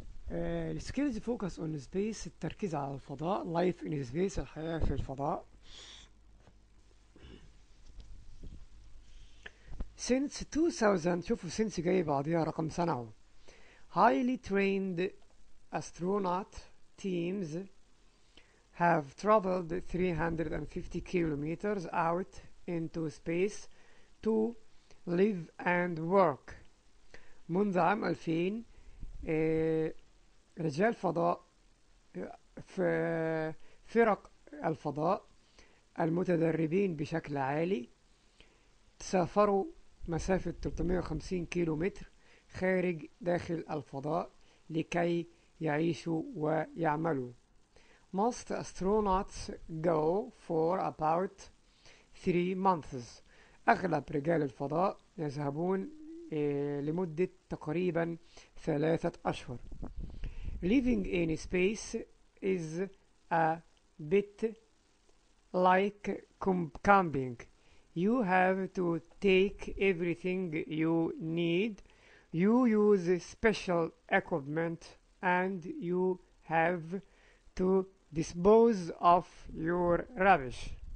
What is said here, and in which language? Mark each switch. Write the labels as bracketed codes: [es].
[en] السكيلز focus on space, [ar] التركيز على الفضاء. [en] life in space, [ar] الحياة في الفضاء. سينس 2000، شوفوا سينس جاي بعديها رقم سنعه. [en] Highly trained astronaut teams have traveled 350 kilometers out into space to live and work. [ar] منذ عام 2000 رجال فضاء في فرق الفضاء المتدربين بشكل عالي سافروا مسافة 350 كيلومتر خارج داخل الفضاء لكي يعيشوا ويعملوا. [en] Most astronauts go for about 3 months. [ar] أغلب رجال الفضاء يذهبون لمدة تقريبا 3 أشهر. [en] Living in space is a bit like camping. You have to take everything you need. You use special equipment and you have to dispose of your rubbish.